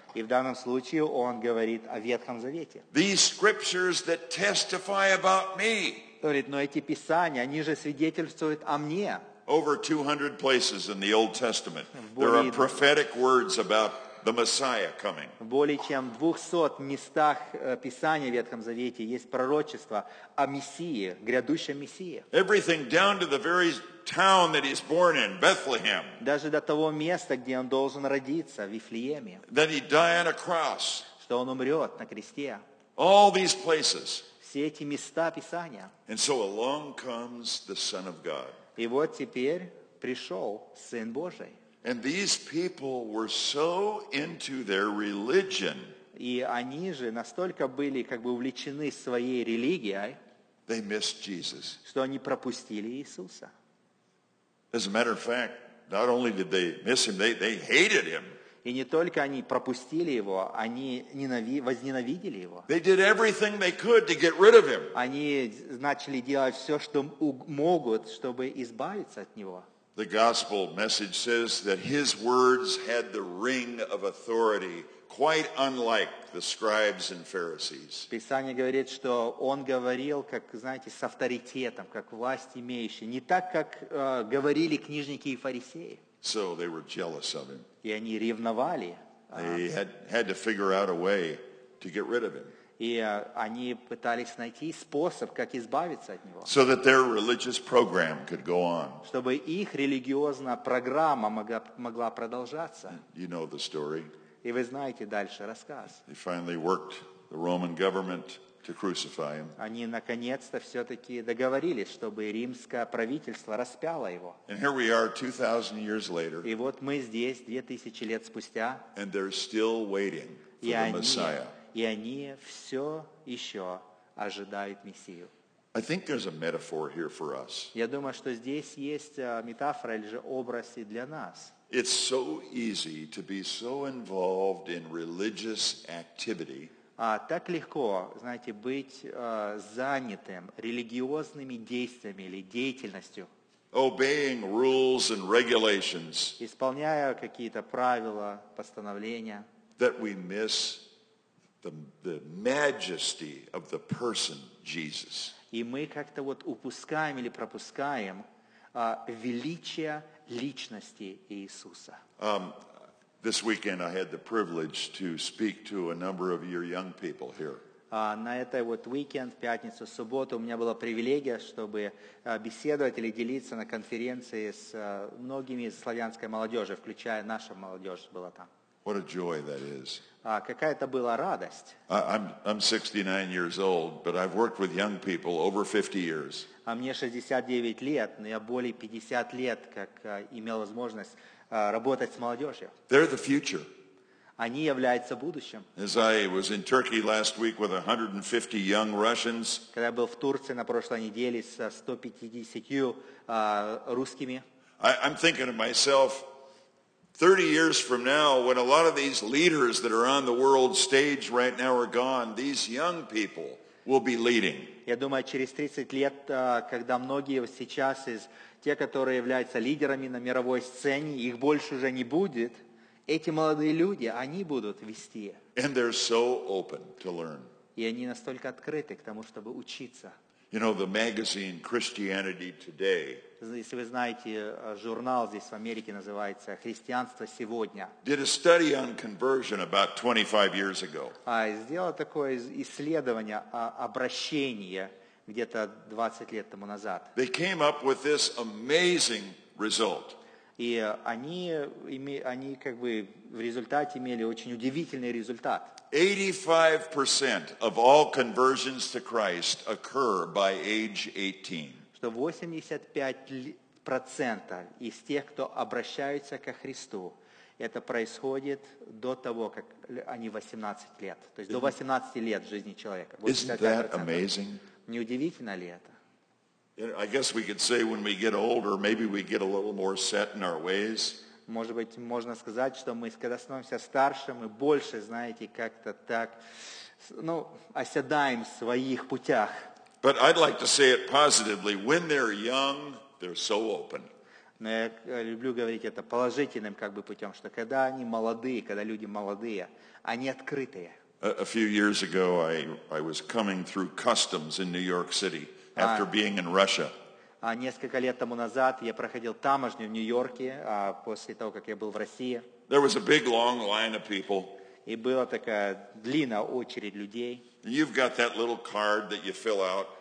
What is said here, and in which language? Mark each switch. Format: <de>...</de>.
<ru>И в данном случае он говорит о Ветхом Завете.</ru> <en>These scriptures that testify about me.</en> <ru>Говорит, но эти Писания, они же свидетельствуют о мне.</ru> <en>Over 200 places in the Old Testament. There are prophetic words about the Messiah coming.</en> <ru>В более чем 200 местах Писания в Ветхом Завете есть пророчество о Мессии, грядущем Мессии.</ru> <en>Everything down to the very town that he's born in, Bethlehem.</en> <ru>Даже до того места, где он должен родиться, в Вифлееме.</ru> <en>That he'd die on a cross.</en> <ru>Что он умрет на кресте.</ru> <en>All these places.</en> <ru>Все эти места Писания.</ru> <en>And so along comes the Son of God.</en> <ru>И вот теперь пришел Сын Божий.</ru> <en>And these people were so into their religion.</en> <ru>И они же настолько были как бы увлечены своей религией.</ru> <en>They missed Jesus.</en> <ru>Что они пропустили Иисуса.</ru> <en>As a matter of fact, not only did they miss him, they hated him.</en> <ru>И не только они пропустили его, они возненавидели его.</ru> <en>They did everything they could to get rid of him.</en> <ru>Они начали делать все, что могут, чтобы избавиться от него.</ru> <en>The gospel message says that his words had the ring of authority, quite unlike the scribes and Pharisees.</en> <ru>Писание говорит, что он говорил, как, знаете, с авторитетом, как власть имеющий, не так, как говорили книжники и фарисеи.</ru> <en>So they were jealous of him.</en> <ru>И они ревновали.</ru> <en>They had to figure out a way to get rid of him.</en> <ru>И они пытались найти способ, как избавиться от него.</ru> <en>So that their religious program could go on.</en> <ru>Чтобы их религиозная программа могла продолжаться.</ru> <en>You know the story.</en> <ru>И вы знаете дальше рассказ.</ru> <en>They finally worked the Roman government to crucify him.</en> <ru>Они наконец-то все-таки договорились, чтобы римское правительство распяло его.</ru> <en>And here we are 2,000 years later.</en> <ru>И вот мы здесь 2,000 лет спустя.</ru> <en>And they're still waiting for the Messiah.</en> <ru>И они все еще ожидают Мессию.</ru> <en>I think there's a metaphor here for us.</en> <ru>Я думаю, что здесь есть метафора или же образ и для нас.</ru> <en>It's so easy to be so involved in religious activity.</en> <ru>А так легко, знаете, быть занятым религиозными действиями или деятельностью.</ru> <en>Obeying rules and regulations.</en> <ru>Исполняя какие-то правила, постановления.</ru> <en>That we miss the majesty of the person Jesus.</en> <ru>И мы как-то вот упускаем или пропускаем величие личности Иисуса.</ru> <en>This weekend I had the privilege to speak to a number of your young people here.</en> <ru>На этой вот weekend, в пятницу, субботу, у меня была привилегия, чтобы беседовать или делиться на конференции с многими из славянской молодежи, включая наша молодежь была там.</ru> <en>What a joy that is.</en> <ru>Какая-то была радость.</ru> <en>I'm 69 years old, but I've worked with young people over 50 years.</en> <ru>А мне 69 лет, но я более 50 лет как имел возможность работать с молодежью.</ru> <en>They're the future.</en> <ru>Они являются будущим.</ru> <en>As I was in Turkey last week with 150 young Russians.</en> <ru>Когда я был в Турции на прошлой неделе с 150 русскими.</ru> <en>I'm thinking of myself 30 years from now, when a lot of these leaders that are on the world stage right now are gone, these young people will be leading.</en> <ru>Я думаю, через 30 лет, когда многие сейчас из тех, которые являются лидерами на мировой сцене, их больше уже не будет, эти молодые люди, они будут вести.</ru> <en>And they're so open to learn.</en> <ru>И они настолько открыты к тому, чтобы учиться.</ru> <en>You know, the magazine Christianity Today.</en> <ru>Если вы знаете, журнал здесь в Америке называется «Христианство сегодня».</ru> <en>Did a study on conversion about 25 years ago.</en> <ru>Сделал такое исследование о обращении где-то 20 лет тому назад.</ru> <en>They came up with this amazing result.</en> <ru>И они как бы в результате имели очень удивительный результат.</ru> <en>85% of all conversions to Christ occur by age 18.</en> <ru>Что 85% из тех, кто обращаются ко Христу, это происходит до того, как они 18 лет. То есть до 18 лет жизни человека.</ru> <en>Isn't that amazing?</en> <ru>Не удивительно ли это?</ru> <en>I guess we could say when we get older, maybe we get a little more set in our ways.</en> <ru>Может быть, можно сказать, что мы, когда становимся старше, мы больше, знаете, как-то так, ну, оседаем в своих путях.</ru> <en>But I'd like to say it positively. When they're young, they're so open.</en> <ru>Но я люблю говорить это положительным как бы путем, что когда они молодые, когда люди молодые, они открытые.</ru> <en>A few years ago, I was coming through customs in New York City after being in Russia.</en> <ru>Несколько лет тому назад я проходил таможню в Нью-Йорке, после того, как я был в России.</ru> <en>There was a big long line of people.</en> <ru>И была такая длинная очередь людей.</ru> <en>You've got that little card that you fill out.</en>